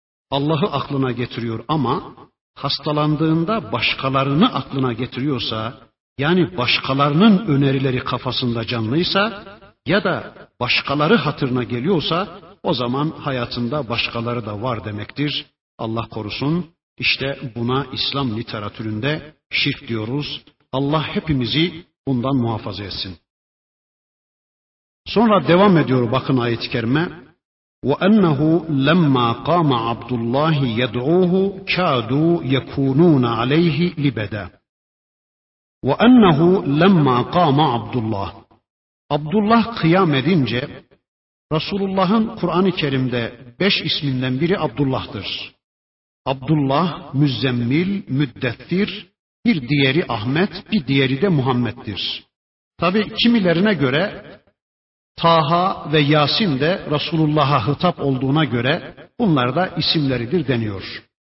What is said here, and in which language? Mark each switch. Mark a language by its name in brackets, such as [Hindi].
[Turkish] Allah'ı aklına getiriyor ama hastalandığında başkalarını aklına getiriyorsa, yani başkalarının önerileri kafasında canlıysa ya da başkaları hatırına geliyorsa, o zaman hayatında başkaları da var demektir. Allah korusun, işte buna İslam literatüründe şirk diyoruz. Allah hepimizi bundan muhafaza etsin. Sonra devam ediyor bakın ayet-i kerime. [Arabic] وَاَنَّهُ لَمَّا قَامَ عَبْدُ اللّٰهِ [Turkish] يَدْعُوهُ كَادُوا يَكُونُونَ عَلَيْهِ لِبَدًا وَاَنَّهُ لَمَّا قَامَ عَبْدُ اللّٰهِ Abdullah kıyam edince, Resulullah'ın Kur'an-ı Kerim'de 5 isminden biri Abdullah'tır. Abdullah, Müzzemmil, Müddettir, bir diğeri Ahmet, bir diğeri de Muhammed'dir. Tabi kimilerine göre Taha ve Yasin de Resulullah'a hitap olduğuna göre bunlar da isimleridir deniyor.